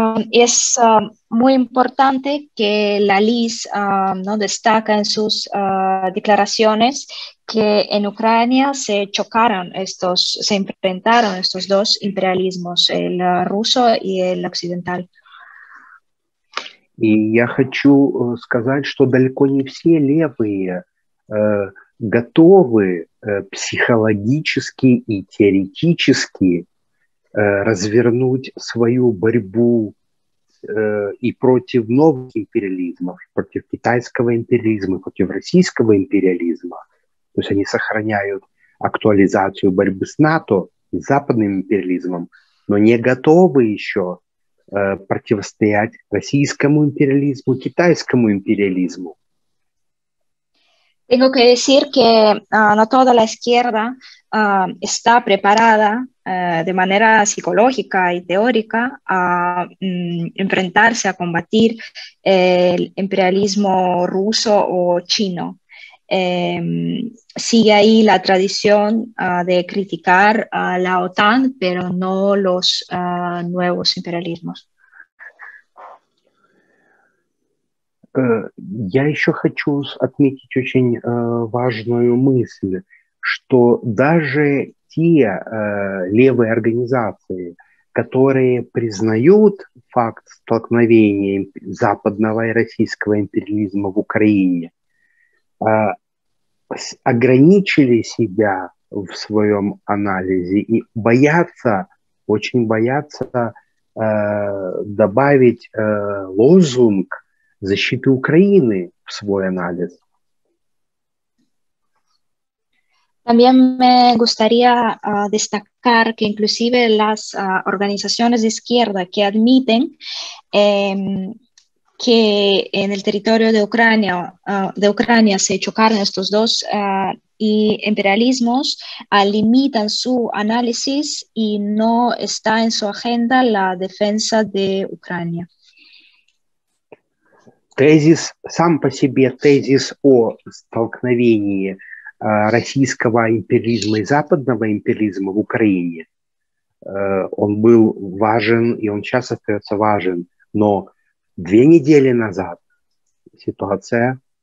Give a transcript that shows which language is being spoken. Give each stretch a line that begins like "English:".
Spanish: Es muy importante que la LIS no destaca en sus declaraciones que en Ucrania se chocaron estos, se enfrentaron estos dos imperialismos, el ruso y el occidental.
Russian: И я хочу сказать, что далеко не все левые готовы психологически и теоретически развернуть свою борьбу и против новых империализмов, против китайского империализма, против российского империализма. То есть они сохраняют актуализацию борьбы с НАТО, с западным империализмом, но не готовы еще противостоять российскому империализму, китайскому империализму.
Spanish: Tengo que decir que no toda la izquierda está preparada de manera psicológica y teórica a enfrentarse, a combatir el imperialismo ruso o chino. Sigue ahí la tradición de criticar a la OTAN, pero no los nuevos imperialismos.
Russian: Я еще хочу отметить очень важную мысль, что даже те левые организации, которые признают факт столкновения западного и российского империализма в Украине, ограничили себя в своем анализе и боятся, очень боятся добавить лозунг защиты Украины в свой анализ.
Spanish: También me gustaría destacar que inclusive las organizaciones de izquierda que admiten que en el territorio de Ucrania se chocaron estos dos imperialismos, limitan su análisis y no está en su agenda la defensa de Ucrania.
Russian: Тезис, сам по себе тезис о столкновении российского империализма и западного империализма в Украине, он был важен и он сейчас остается важен, но две недели назад ситуация